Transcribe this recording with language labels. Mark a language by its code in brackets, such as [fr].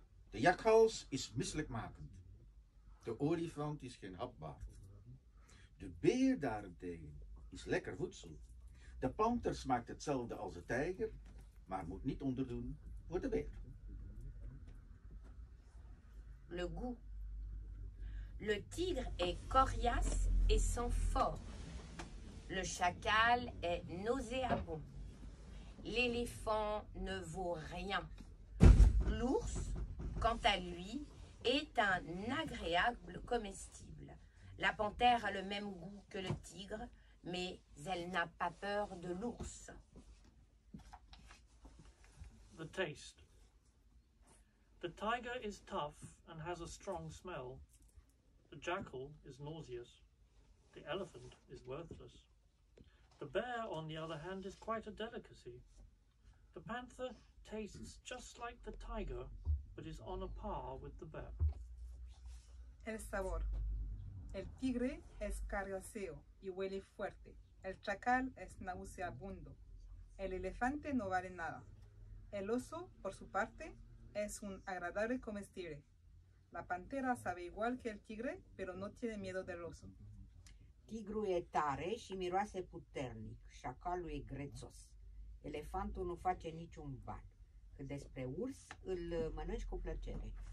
[nl] De jakhals is misselijkmakend. De olifant is geen hap waard. De beer daarentegen is lekker voedsel. De panter smaakt hetzelfde als de tijger, maar moet niet onderdoen voor de beer. [fr] Le goût. Le tigre est coriace et sent fort. Le chacal est nauséabond. L'éléphant ne vaut rien. L'ours, quant à lui, est un agréable comestible. La panthère a le même goût que le tigre, mais elle n'a pas peur de l'ours. [en] The taste. The tiger is tough and has a strong smell. The jackal is nauseous. The elephant is worthless. The bear, on the other hand, is quite a delicacy. The panther tastes just like the tiger, but is on a par with the bear. [es] El sabor. El tigre es carnoso y huele fuerte. El chacal es nauseabundo. El elefante no vale nada. El oso, por su parte, es un agradable comestible. La pantera sabe igual que el tigre, pero no tiene miedo del oso. [ro] Tigru e tare și miroase puternic. Șacalul e grețos. Elefantul nu face niciun ban. Cât despre urs, îl mănânci cu plăcere.